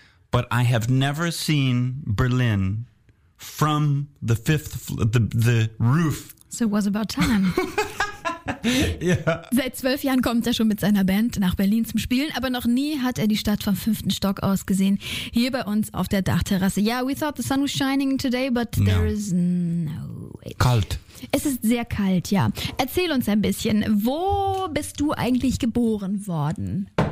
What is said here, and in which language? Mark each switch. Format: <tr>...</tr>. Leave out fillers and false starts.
<en>But I have never seen Berlin from the fifth the roof. So it was about time. Yeah.</en> <de>Seit 12 Jahren kommt er schon mit seiner Band nach Berlin zum Spielen, aber noch nie hat er die Stadt vom fünften Stock aus gesehen, hier bei uns auf der Dachterrasse.</de> <en>Yeah, we thought the sun was shining today, but there is no way.</en> <de>Kalt. Es ist sehr kalt, ja. Erzähl uns ein bisschen, wo bist du eigentlich geboren worden?</de>